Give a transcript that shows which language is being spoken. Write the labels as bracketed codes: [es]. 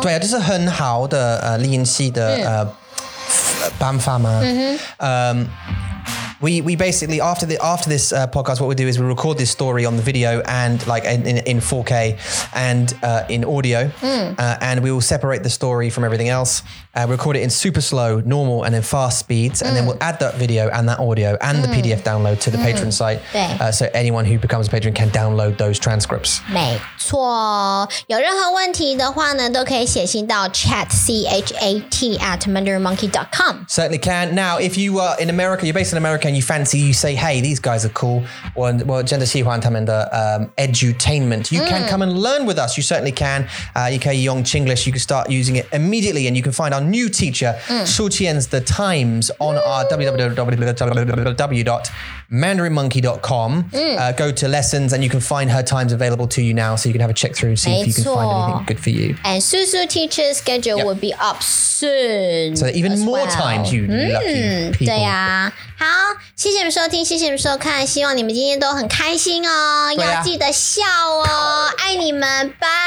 [zh] 对啊，这是很好的练习的办法吗? Mm-hmm. [en] We basically, after this podcast, what we do is we record this story on the video and like in 4K and in audio. And we will separate the story from everything else. Record it in super slow, normal, and then fast speeds. And then we'll add that video and that audio and the PDF download to the Patreon site. So anyone who becomes a patron can download those transcripts. [zh] 没错。有任何问题的话呢都可以写信到 chat@mandarinmonkey.com. [en] Certainly can. Now, if you are in America, you're based in America,and you fancy, you say, hey, these guys are cool. Well, [zh] 真的喜欢他们的 [en] edutainment. You can come and learn with us. You certainly can. You can 用 Chinglish. You can start using it immediately. And you can find our new teacher, Su Qian's The Times, on our www.mandarinmonkey.com. Go to lessons and you can find her times available to you now. So you can have a check through and see if you can find anything good for you. And Susu teacher's schedule will be up soon. So even more times, you lucky people. [zh] 对啊。好，谢谢你们收听，谢谢你们收看，希望你们今天都很开心哦，要记得笑哦，爱你们，拜